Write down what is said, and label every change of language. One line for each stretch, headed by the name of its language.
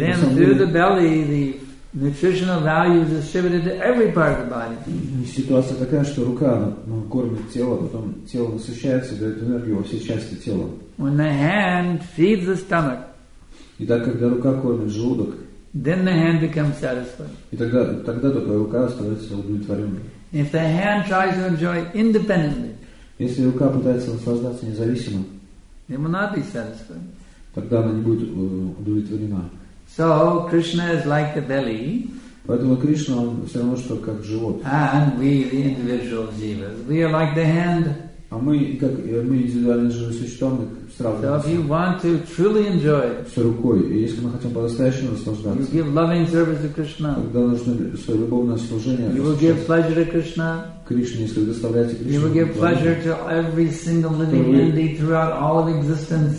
English: then through the belly, the nutritional value is distributed to every part of the body.
Russian: Ситуация такая, что рука кормит тело, потом тело насыщается, дает энергию во все части тела.
English: When the hand feeds the stomach,
Russian: и так когда рука кормит желудок,
English: then the hand becomes satisfied.
Russian: И тогда только рука становится удовлетворенной.
English: If the hand tries to enjoy independently,
Russian: если рука пытается наслаждаться независимо,
English: it will not be satisfied.
Russian: Тогда она не будет удовлетворена.
English: So Krishna is like the belly.
Russian: Поэтому Кришна, он все равно, что как живот.
English: And we, the individual jivas, we are like the hand.
Russian: А мы индивидуальные живые существа, мы сравниваем.
English: So if you want to truly enjoy,
Russian: с рукой, и если мы хотим по-настоящему наслаждаться,
English: you give loving service to Krishna.
Russian: Тогда нужно свое любовное служение.
English: You will give pleasure to Krishna.
Russian: Кришне, если вы доставляете Кришне.
English: You will give pleasure to every single living entity throughout all of existence.